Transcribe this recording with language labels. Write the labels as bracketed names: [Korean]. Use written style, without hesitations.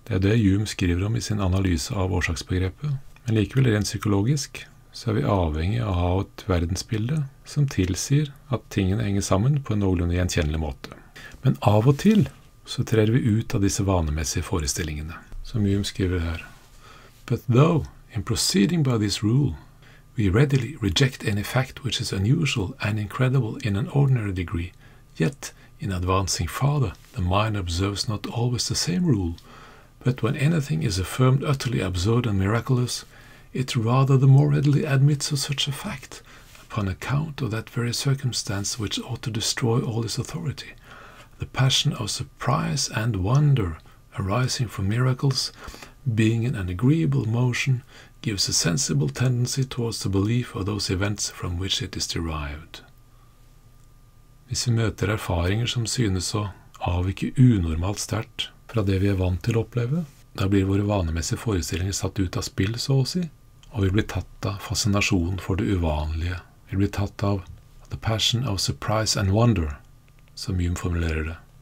[Norwegian] Det det Hume skriver om i sin analyse av årsaksbegrepet. Men likevel rent psykologisk så vi avhengig av å ha et verdensbilde som tilsier at tingene henger sammen på en noenlunde gjenkjennelig måte. Men av og til så trer vi ut av disse vanemessige forestillingene, som Hume skriver her. [English] But though, in proceeding by this rule, we readily reject any fact which is unusual and incredible in an ordinary degree, yet, in advancing farther, the mind observes not always the same rule, but when anything is affirmed utterly absurd and miraculous, it rather the more readily admits of such a fact, upon account of that very circumstance which ought to destroy all its authority. The passion of surprise and wonder arising from miracles, being in an agreeable motion, gives a sensible tendency towards the belief of those events from which it is derived. [Norwegian] Hvis vi møter erfaringer som synes å avvike unormalt sterkt fra det vi er vant til å oppleve, da blir våre vanemessige forestillinger satt ut av spill, så å si, og vi blir tatt av fascinasjonen for det uvanlige. Vi blir tatt av [English] the passion of surprise and wonder, [Norwegian] som Hume formulerer det.